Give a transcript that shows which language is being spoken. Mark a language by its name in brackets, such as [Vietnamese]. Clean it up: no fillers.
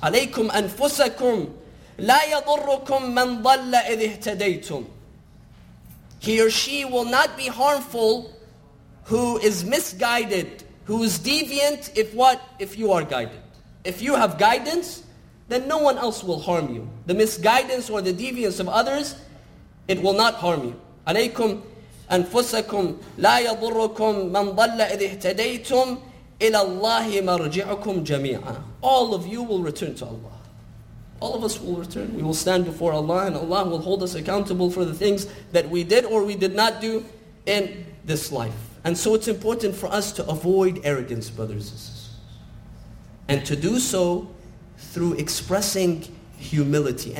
[Arabic] عَلَيْكُمْ أَنفُسَكُمْ لَا يَضُرُّكُمْ مَنْ ضَلَّ إِذِ اهْتَدَيْتُمْ [English] He or she will not be harmful who is misguided, who is deviant if what? If you are guided. If you have guidance, then no one else will harm you. The misguidance or the deviance of others, it will not harm you. [Arabic] عَلَيْكُمْ أَنفُسَكُمْ لَا يَضُرُّكُمْ مَنْ ضَلَّ إِذِ اهْتَدَيْتُمْ إِلَى اللَّهِ مَرْجِعُكُمْ جَمِيعًا [English] All of you will return to Allah. All of us will return. We will stand before Allah and Allah will hold us accountable for the things that we did or we did not do in this life. And so it's important for us to avoid arrogance, brothers and sisters. And to do so through expressing humility.